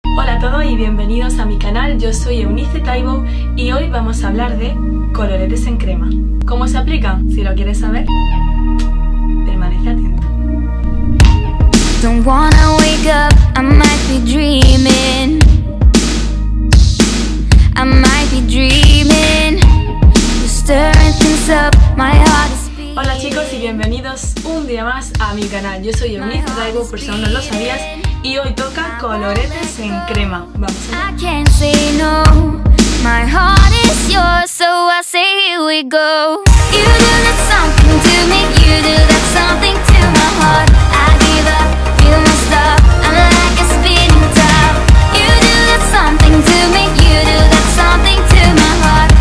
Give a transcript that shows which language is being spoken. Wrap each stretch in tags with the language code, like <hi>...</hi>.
<es>Hola a todos y bienvenidos a mi canal, yo soy Eunice Taibo y hoy vamos a hablar de coloretes en crema. ¿Cómo se aplican? Si lo quieres saber, permanece atento.</es> <en>Don't wanna wake up, I might be dreaming. I might be dreaming. You're stirring things up, my heart is beating.</en> <es>Hola chicos y bienvenidos un día más a mi canal. Yo soy Eunice Taibo, por si aún no lo sabías. Y hoy toca coloretes en crema. Vamos allá.</es> <en>I can't say no. My heart is yours, so I say here we go. You do that something to me. You do that something to my heart. I give up, you must stop. I'm like a spinning top. You do that something to me. You do that something to my heart.</en>